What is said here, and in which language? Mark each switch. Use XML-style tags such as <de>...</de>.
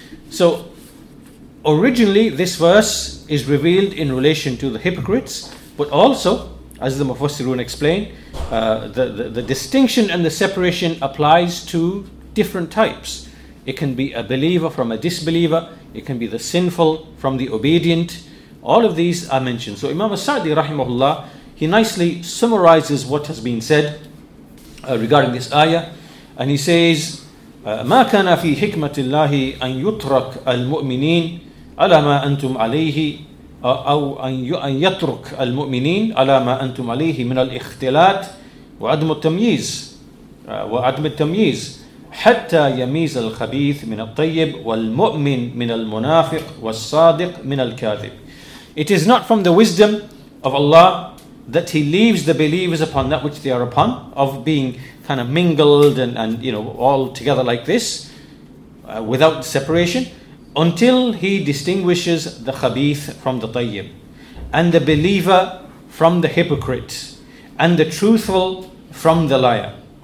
<en>So originally this verse is revealed in relation to the hypocrites, but also, as the Mufassirun explain, the distinction and the separation applies to different types. It can be a believer from a disbeliever. It can be the sinful from the obedient. All of these are mentioned. So Imam As-Sa'di rahimahullah, he nicely summarizes what has been said regarding this ayah. And he says,</en> <ar>مَا كَانَ فِي حِكْمَةِ اللَّهِ أَن يُطْرَكَ الْمُؤْمِنِينَ عَلَى مَا أَنْتُمْ عَلَيْهِ أو أن يترك المؤمنين على ما أنتم عليه من الاختلاط وعدم التمييز وعدم التمييز حتى يميز الخبيث من الطيب والمؤمن من المنافق والصادق من الكاذب.</ar> <en>It is not from the wisdom of Allah that He leaves the believers upon that which they are upon, of being kind of mingled and you know, all together like this, without separation, until He distinguishes the khabith from the tayyib, and the believer from the hypocrite, and the truthful from the liar.</en>